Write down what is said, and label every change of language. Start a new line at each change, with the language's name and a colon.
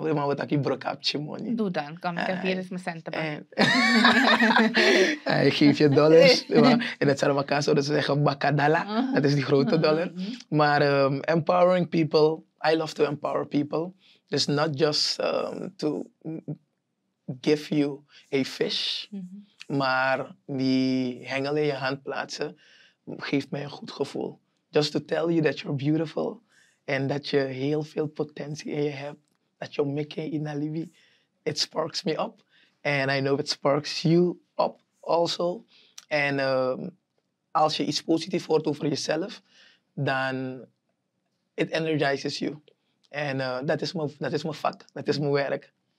Dutch: We hebben een brokapje money. Doe dan. Kom, ik heb hier eens mijn centen bij. Hij geeft je dollars. In het Saramaka zouden ze zeggen bakadala. Dat is die grote dollar.
English: Maar empowering people. I love to empower people. It's not just to give you a fish. Mm-hmm.
Dutch: Maar die hengel in je hand plaatsen geeft mij een goed gevoel.
English: Just to tell you that you're beautiful.
Dutch: En dat je heel veel potentie in je hebt. Dat je making in alibi.
English: It sparks me up. And I know it sparks you up also.
Dutch: En als je iets positiefs hoort over jezelf. Dan
English: it energizes you.
Dutch: En dat is mijn vak. Dat is mijn werk.